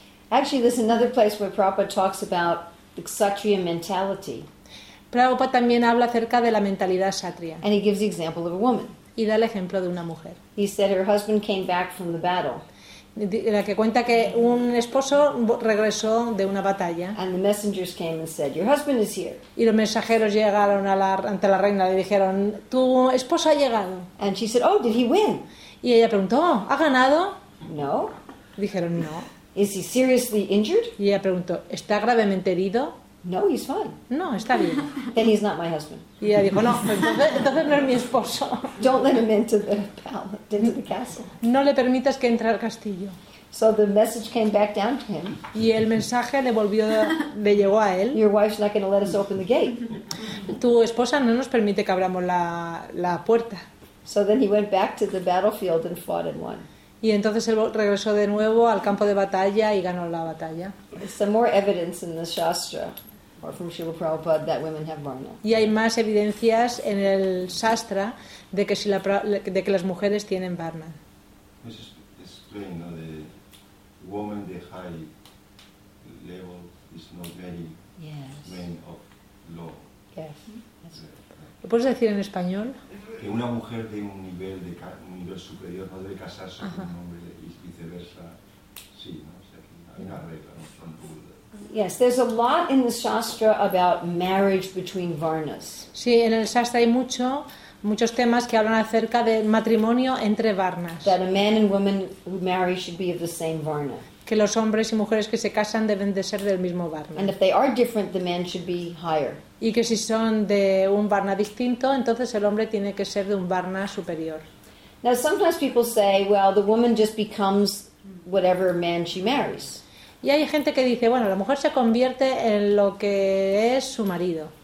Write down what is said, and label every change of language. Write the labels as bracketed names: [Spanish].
[English] Actually, there's another place where Prabhupada talks about the kshatriya mentality. [Spanish] Prabhupada también habla acerca de la mentalidad kshatriya. [English] And he gives the example of a woman. [Spanish] Y da el ejemplo de una mujer. [English] He said her husband came back from the battle. [Spanish] La que cuenta que un esposo regresó de una batalla. [English] And the messengers came and said, "Your husband is here." [Spanish] Y los mensajeros llegaron ante la reina y le dijeron, "Tu esposo ha llegado." [English] And she said, "Oh, did he win?" [Spanish] Y ella preguntó, "¿Ha ganado?" [English] No. [Spanish] Dijeron, "No." [English] Is he seriously injured? [Spanish] Y ella preguntó, "¿Está gravemente herido?" [English] No, he's fine. [Spanish] No, está bien. [English] Then he's not my husband. [Spanish] Y ella dijo, no, entonces no es mi esposo. [English] Don't let him into the palace, into the castle. [Spanish] No le permitas que entre al castillo. [English] So the message came back down to him. [Spanish] Y el mensaje le llegó a él. [English] Your wife's not going to let us open the gate. [Spanish] Tu esposa no nos permite que abramos la puerta. [English] So then he went back to the battlefield and fought and won. [Spanish] Y entonces él regresó de nuevo al campo de batalla y ganó la batalla. [English] Some more evidence in the Shastra, or from Srila Prabhupada, that women have varna. [Spanish] Y hay más evidencias en el Shastra de que las mujeres tienen varna. [English] This is explained, no? The woman, the high level, is not very main of law. Yes. [Spanish] ¿Lo puedes decir en español? Que una mujer de un nivel superior no debe casarse con un hombre y viceversa. Sí, ¿no? O sea, hay una regla, ¿no? Son burdas. [English] Yes, there's a lot in the Shastra about marriage between varnas. [Spanish] Sí, en el Shastra hay muchos temas que hablan acerca de matrimonio entre varnas. [English] That a man and woman who marry should be of the same varna. [Spanish] Que los hombres y mujeres que se casan deben de ser del mismo varna. [English] And if they are different, the man should be higher. [Spanish] Y que si son de un varna distinto, entonces el hombre tiene que ser de un varna superior. [English] Now, sometimes people say, well, the woman just becomes whatever man she marries. [Spanish] Y hay gente que dice, bueno, la mujer se convierte en lo que es su marido.